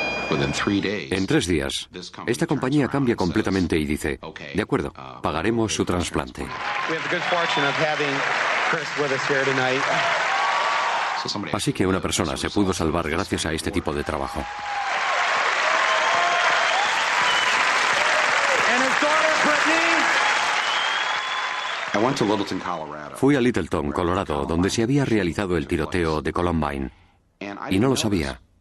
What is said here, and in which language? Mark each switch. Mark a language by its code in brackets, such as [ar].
[es] En tres días, esta compañía cambia completamente y dice, de acuerdo, pagaremos su trasplante. [en] We have the good fortune of having Chris with us here tonight. [es] Así que una persona se pudo salvar gracias a este tipo de trabajo. Fui a Littleton, Colorado, donde se había realizado el tiroteo de Columbine, y no lo sabía.